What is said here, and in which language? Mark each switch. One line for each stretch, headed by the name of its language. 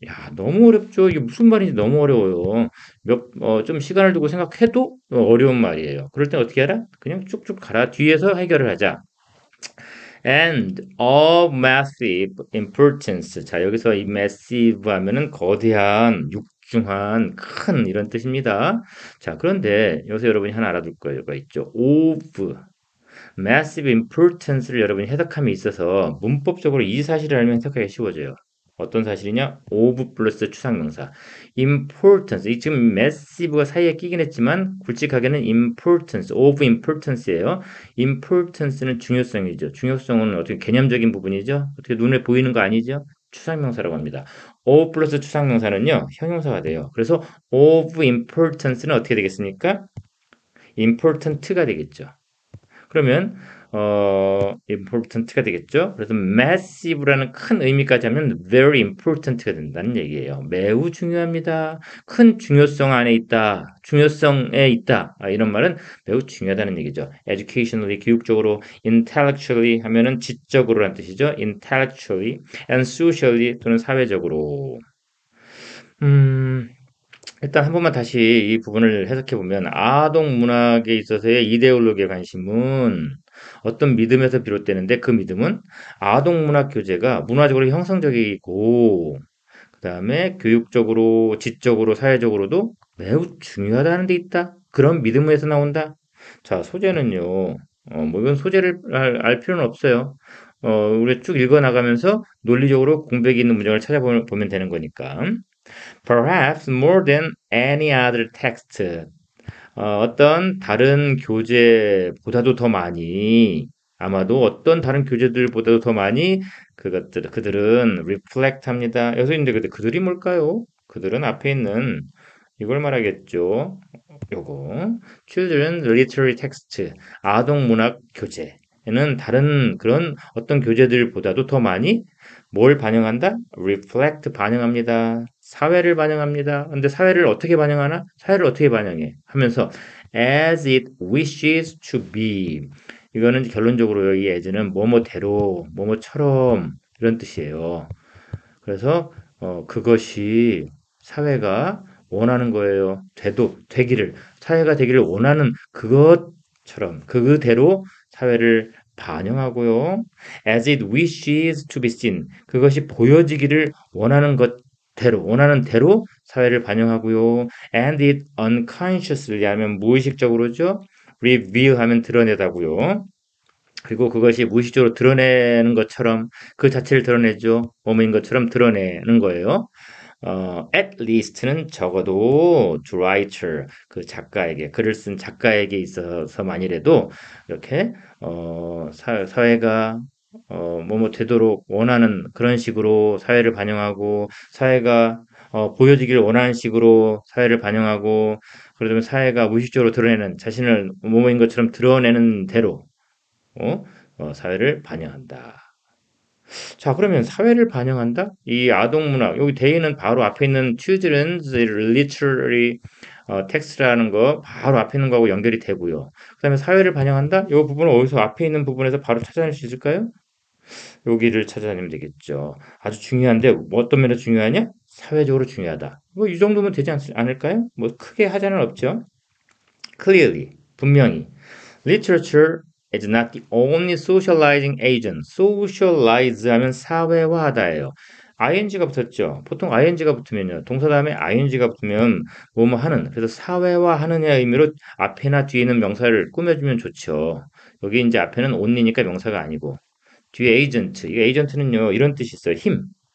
Korean: 야, 너무 어렵죠. 이게 무슨 말인지 너무 어려워요. 좀 시간을 두고 생각해도 어려운 말이에요. 그럴 땐 어떻게 하라? 그냥 쭉쭉 가라. 뒤에서 해결을 하자.
English: And of massive importance.
Korean: 자, 여기서 이 massive 하면은 거대한 중한 큰 이런 뜻입니다. 자, 그런데 여기서 여러분이 하나 알아둘 거가 있죠.
English: of massive importance
Korean: 를 여러분이 해석함에 있어서 문법적으로 이 사실을 알면 해석하기 쉬워져요. 어떤 사실이냐? of 플러스 추상명사. importance. 이 지금 massive가 사이에 끼긴 했지만 굵직하게는 importance,
English: of importance
Korean: 예요. importance는 중요성이죠. 중요성은 어떻게 개념적인 부분이죠? 어떻게 눈에 보이는 거 아니죠? 추상명사라고 합니다. of 플러스 추상명사는요, 형용사가 돼요. 그래서
English: of importance
Korean: 는 어떻게 되겠습니까? important가 되겠죠. 그러면, important가 되겠죠. 그래서 massive라는 큰 의미까지 하면
English: very important
Korean: 가 된다는 얘기예요. 매우 중요합니다. 큰 중요성 안에 있다. 중요성에 있다. 아, 이런 말은 매우 중요하다는 얘기죠. educationally, 교육적으로, intellectually 하면은 지적으로란 뜻이죠.
English: intellectually and socially
Korean: 또는 사회적으로. 일단 한 번만 다시 이 부분을 해석해 보면 아동문학에 있어서의 이데올로기의 관심은 어떤 믿음에서 비롯되는데 그 믿음은 아동문학 교재가 문화적으로 형성적이고 그 다음에 교육적으로, 지적으로, 사회적으로도 매우 중요하다는 데 있다. 그런 믿음에서 나온다. 자, 소재는요. 뭐 이건 소재를 알 필요는 없어요. 우리 쭉 읽어 나가면서 논리적으로 공백이 있는 문장을 찾아보면 되는 거니까.
English: Perhaps more than any other text.
Korean: 어떤 다른 교재보다도 더 많이, 아마도 어떤 다른 교재들보다도 더 많이 그들은 reflect 합니다. 여기서 이제 그들이 뭘까요? 그들은 앞에 있는 이걸 말하겠죠.
English: 요거. Children Literary Text.
Korean: 아동문학 교재에는 다른 그런 어떤 교재들보다도 더 많이 뭘 반영한다? reflect 반영합니다. 사회를 반영합니다. 근데 사회를 어떻게 반영하나? 사회를 어떻게 반영해? 하면서
English: as it wishes to be.
Korean: 이거는 결론적으로 여기 as는 뭐뭐대로, 뭐뭐처럼 이런 뜻이에요. 그래서 그것이 사회가 원하는 거예요. 되기를 사회가 되기를 원하는 그것처럼 그대로 사회를 반영하고요.
English: As it wishes to be seen.
Korean: 그것이 보여지기를 원하는 것 대로 원하는 대로 사회를 반영하고요.
English: And it unconsciously
Korean: 하면 무의식적으로죠. Reveal 하면 드러내다고요. 그리고 그것이 무의식적으로 드러내는 것처럼 그 자체를 드러내죠. 몸인 것처럼 드러내는 거예요.
English: At least
Korean: 는 적어도
English: to writer
Korean: 그 작가에게 글을 쓴 작가에게 있어서만이라도 이렇게 사회가 뭐뭐 되도록 원하는 그런 식으로 사회를 반영하고 사회가 보여지기를 원하는 식으로 사회를 반영하고 그러면 사회가 무의식적으로 드러내는 자신을 뭐뭐인 것처럼 드러내는 대로 사회를 반영한다. 자, 그러면 사회를 반영한다? 이 아동문학, 여기 대인은 바로 앞에 있는
English: children's literary text
Korean: 라는 거 바로 앞에 있는 거하고 연결이 되고요. 그다음에 사회를 반영한다? 이 부분을 어디서 앞에 있는 부분에서 바로 찾아낼 수 있을까요? 여기를 찾아내면 되겠죠. 아주 중요한데 뭐 어떤 면에서 중요하냐? 사회적으로 중요하다. 뭐이 정도면 되지 않을까요? 뭐 크게 하자는 없죠.
English: Clearly,
Korean: 분명히
English: literature is not the only socializing agent.
Korean: Socialize 하면 사회화하다예요. ing가 붙었죠. 보통 ing가 붙으면요. 동사 다음에 ing가 붙으면 뭐뭐 하는. 그래서 사회화하느냐 의미로 앞에나 뒤에는 명사를 꾸며주면 좋죠. 여기 이제 앞에는 only니까 명사가 아니고. 뒤에 agent. 이 agent는요. 이런 뜻이 있어요. 힘.